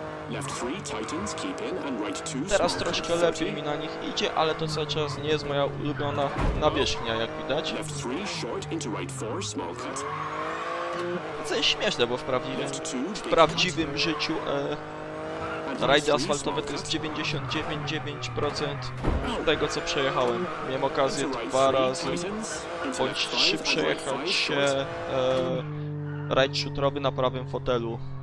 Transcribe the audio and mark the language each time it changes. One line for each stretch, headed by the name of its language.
English: Left 3, tightens, keep in, and right 2,
Polish: teraz troszkę lepiej mi na nich idzie, ale to cały czas nie jest moja ulubiona nawierzchnia, jak widać.
English: Left 3, short, into right 4, small cut.
Polish: To jest śmieszne, bo w prawdziwym życiu rajdy asfaltowe to jest 99,9% tego, co przejechałem. Miałem okazję dwa razy, bądź trzy przejechać się rajd szutrowy na prawym fotelu.